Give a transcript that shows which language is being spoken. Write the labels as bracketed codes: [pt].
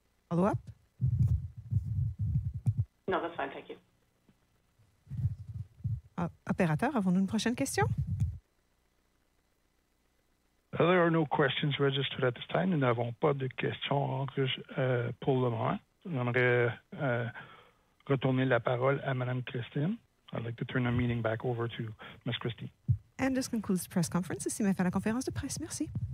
[en] Follow up? No, that's fine. Thank you. [fr] Opérateur, avons-nous une prochaine question? [en] There are no questions registered at this time. [fr] Nous n'avons pas de questions pour le moment. J'aimerais retourner la parole à Madame Christine. [en] I'd like to turn the meeting back over to Ms. Christine. And this concludes the press conference. [fr] C'est ma fin de conférence de presse. Merci.